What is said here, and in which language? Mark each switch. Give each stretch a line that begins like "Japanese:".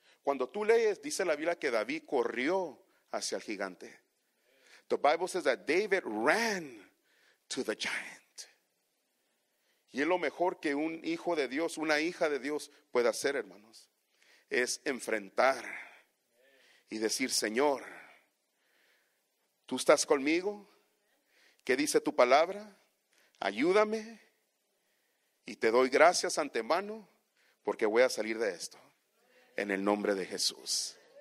Spanish: Cuando tú lees, dice la Biblia que David corrió hacia el gigante.
English: The Bible says that David ran to the giant.
Spanish: Y es lo mejor que un hijo de Dios, una hija de Dios puede hacer, hermanos, es enfrentar y decir, Señor, tú estás conmigo, ¿qué dice tu palabra? Ayúdame y te doy gracias antemano porque voy a salir de esto en el nombre de Jesús.